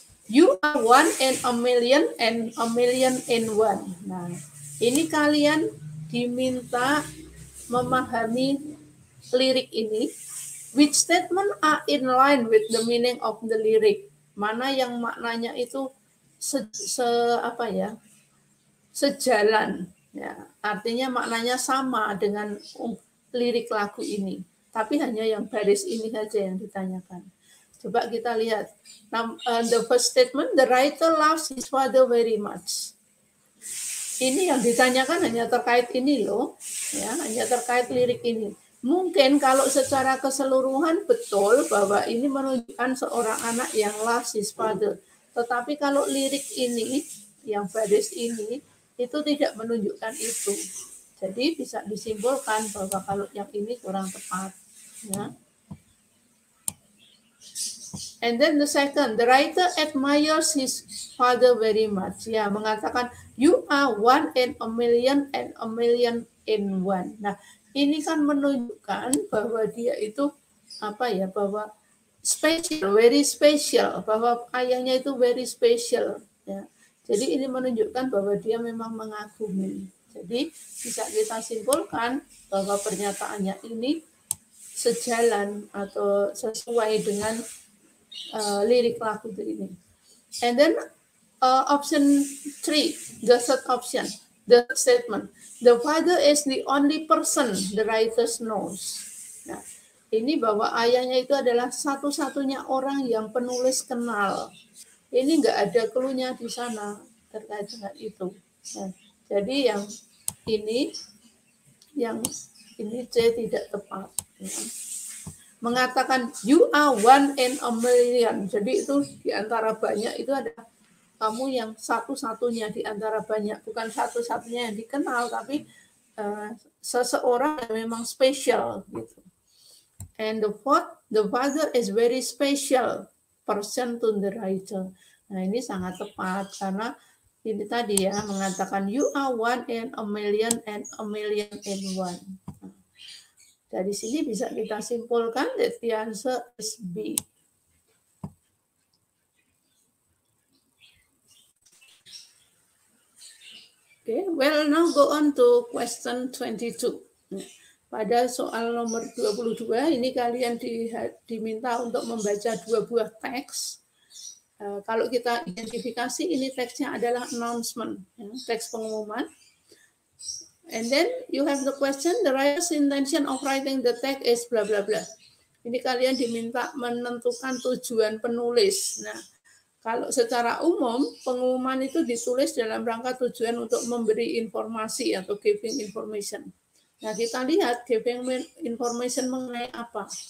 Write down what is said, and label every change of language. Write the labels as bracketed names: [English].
[English] You are one and a million in one. [Indonesian] Nah, ini kalian diminta memahami lirik ini. [English] Which statement are in line with the meaning of the lyric? [Indonesian] Mana yang maknanya itu sejalan. Ya, artinya maknanya sama dengan lirik lagu ini. Tapi hanya yang baris ini saja yang ditanyakan. Coba kita lihat. [English] The first statement, the writer loves his father very much. [Indonesian] Ini yang ditanyakan hanya terkait ini loh. Ya, hanya terkait lirik ini. Mungkin kalau secara keseluruhan betul bahwa ini menunjukkan seorang anak yang [English] loves his father. [Indonesian] Tetapi kalau lirik ini, yang baris ini, itu tidak menunjukkan itu. Jadi bisa disimpulkan bahwa kalau yang ini kurang tepat. Ya. [English] And then the second, the writer admires his father very much. [Indonesian] Ya, mengatakan, [English] you are one and a million in one. [Indonesian] Nah, ini kan menunjukkan bahwa dia itu, bahwa special, [English] very special. [Indonesian] Bahwa ayahnya itu [English] very special. [Indonesian] Ya. Jadi ini menunjukkan bahwa dia memang mengagumi. Jadi bisa kita simpulkan bahwa pernyataannya ini sejalan atau sesuai dengan lirik lagu ini. [English] And then option 3, the third option, the statement. The father is the only person the writer knows. [Indonesian] Nah, ini bahwa ayahnya itu adalah satu-satunya orang yang penulis kenal. Ini enggak ada clue-nya di sana terkait dengan itu. Nah, jadi yang ini C tidak tepat. mengatakan [English] you are one in a million. [Indonesian] Jadi itu di antara banyak itu ada kamu yang satu-satunya di antara banyak, bukan satu-satunya yang dikenal, tapi seseorang yang memang spesial gitu. [English] And the fourth, the father is very special person to the writer. [Indonesian] Nah, ini sangat tepat karena ini tadi ya mengatakan [English] you are one in a million and a million in one. [Indonesian] Dari sini bisa kita simpulkan [English] that the answer is B. Okay, well now go on to question 22. [Indonesian] Pada soal nomor 22 ini kalian diminta untuk membaca dua buah teks. Kalau kita identifikasi ini teksnya adalah announcement, teks pengumuman. [English] And then you have the question, the writer's intention of writing the text is blah blah blah. [Indonesian] Ini kalian diminta menentukan tujuan penulis. Nah, kalau secara umum pengumuman itu ditulis dalam rangka tujuan untuk memberi informasi atau giving information. Nah, kita lihat giving information mengenai apa.